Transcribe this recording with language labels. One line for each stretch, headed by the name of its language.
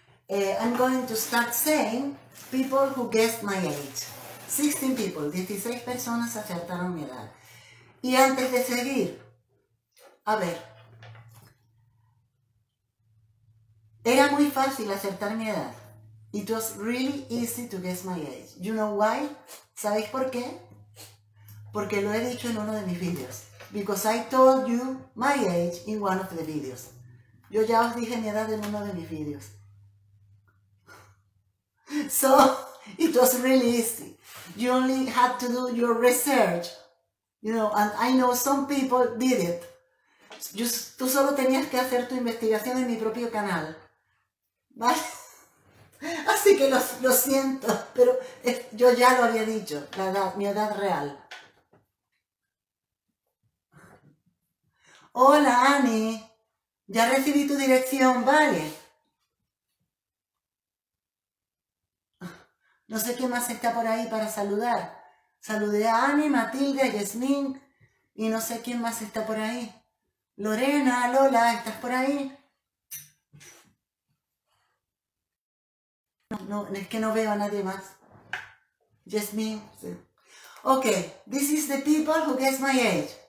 English: I'm going to start saying people who guessed my age. 16 people,
Spanish: 16 personas acertaron mi edad. Y antes de seguir, a ver, era muy fácil acertar mi edad.
English: It was really easy to guess my age. You know why?
Spanish: ¿Sabéis por qué? Porque lo he dicho en uno de mis videos.
English: Because I told you my age in one of the videos.
Spanish: Yo ya os dije mi edad en uno de mis videos.
English: So, it was really easy. You only had to do your research. You know, and I know some people did it.
Spanish: Tú solo tenías que hacer tu investigación en mi propio canal. ¿Vale? Así que lo siento, pero yo ya lo había dicho, la edad, mi edad real. Hola, Ani. Ya recibí tu dirección, ¿vale? No sé quién más está por ahí para saludar. Saludé a Ani, Matilde, Yasmín y no sé quién más está por ahí. Lorena, Lola, ¿estás por ahí? No, no, es que no veo a nadie más.
English: Just me. Sí. Okay, this is the people who guess my age.